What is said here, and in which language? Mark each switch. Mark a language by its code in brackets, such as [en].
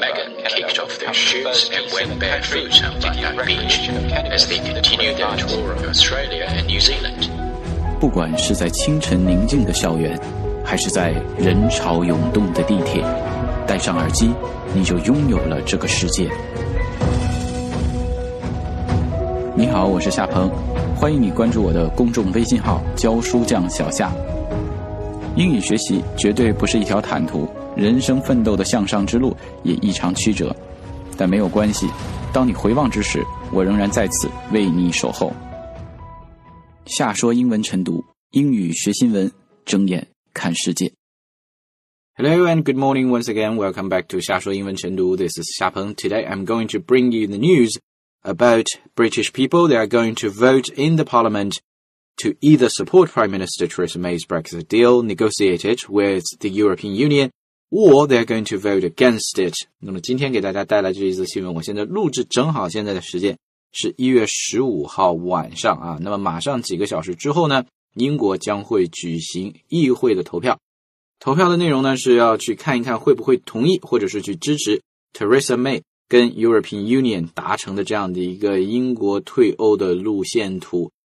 [en] Megan kicked off their shoots and went barefoot on Bondi Beach as they continued their tour of Australia and New Zealand. [zh] 不管是在清晨宁静的校园，还是在人潮涌动的地铁，戴上耳机，你就拥有了这个世界。你好，我是夏鹏，欢迎你关注我的公众微信号教书匠小夏。英语学习绝对不是一条坦途，人生奋斗的向上之路也异常曲折，但没有关系，当你回望之时，我仍然在此为你守候。夏说英文晨读，英语学新闻，睁眼看世界。 [en] Hello and good morning once again. Welcome back to 夏说英文晨读.This is 夏鹏. Today I'm going to bring you the news about British people. They are going to vote in the Parliament to either support Prime Minister Theresa May's Brexit deal negotiated with the European Union, or they're going to vote against it. [zh] 那么今天给大家带来这一则新闻，我现在录制正好现在的时间是1月15号晚上啊。那么马上几个小时之后呢，英国将会举行议会的投票。投票的内容呢，是要去看一看会不会同意或者是去支持 Theresa May 跟 European Union 达成的这样的一个英国退欧的路线图。